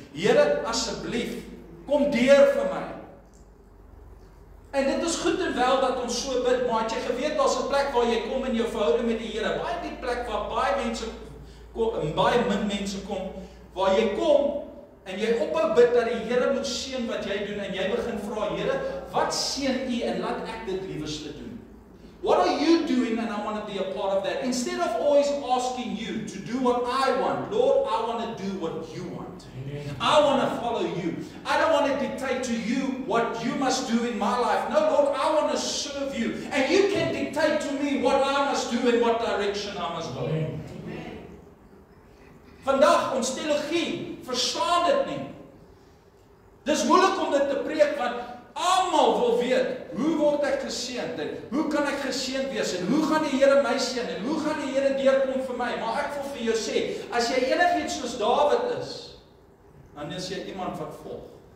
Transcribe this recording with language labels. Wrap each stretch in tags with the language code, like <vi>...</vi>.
<af>Here asseblief, kom deur vir my. En dit is goed en wel dat ons so bid, maar het jy geweet daar's 'n plek waar jy kom in jou verhouding met die Here, baie diep plek waar baie mense kom, en baie min mense kom, waar jy kom en jy ophou bid dat die Here moet seën wat jy doen en jy begin vra, Here, wat seën U en laat ek dit liewerste doen.</af> <en>What are you doing and I want to be a part of that. Instead of always asking you to do what I want, Lord, I want to do what you want. I want to follow you. I don't want to dictate to you what you must do in my life. No, Lord, I want to serve you. And you can dictate to me what I must do and what direction I must go.</en> <af>Vandag, ons teologie verstaan dit nie. Dis moeilik om dit te preek, want almal wil weet, hoe word ek geseënd? Hoe kan ek geseënd wees? En hoe gaan die Here my seën? En hoe gaan die Here deurkom vir my? Maar ek wil vir jou sê, as jy enigiets soos Dawid is, dan is jy iemand wat volg.</af>